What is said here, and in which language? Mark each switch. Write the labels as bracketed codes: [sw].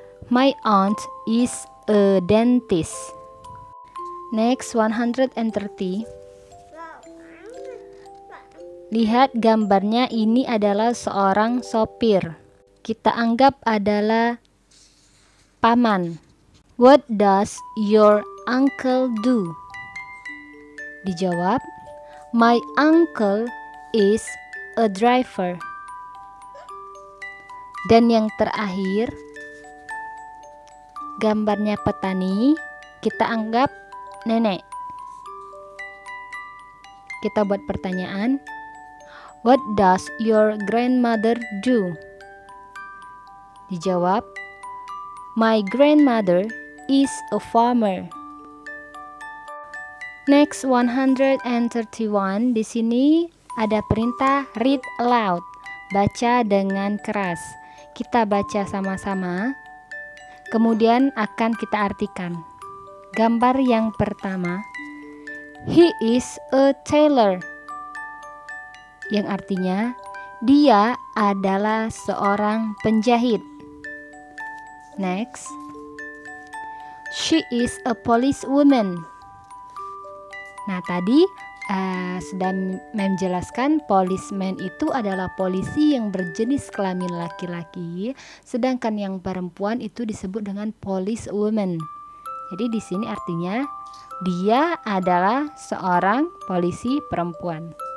[en] My aunt is a dentist. Next, 130. [id] Lihat gambarnya, ini adalah seorang sopir. Kita anggap adalah paman. [en] What does your uncle do? [id] Dijawab, [en] my uncle is a driver. [id] Dan yang terakhir, gambarnya petani, kita anggap nenek. Kita buat pertanyaan, [en] what does your grandmother do? [id] Dijawab, [en] my grandmother is a farmer. Next, 131. [id] Di sini ada perintah read aloud, baca dengan keras. Kita baca sama-sama, kemudian akan kita artikan. Gambar yang pertama, [en] he is a tailor, [id] yang artinya dia adalah seorang penjahit. [en] Next, she is a policewoman. [id] Nah, tadi sudah menjelaskan policeman itu adalah polisi yang berjenis kelamin laki-laki, sedangkan yang perempuan itu disebut dengan policewoman. Jadi di sini artinya dia adalah seorang polisi perempuan.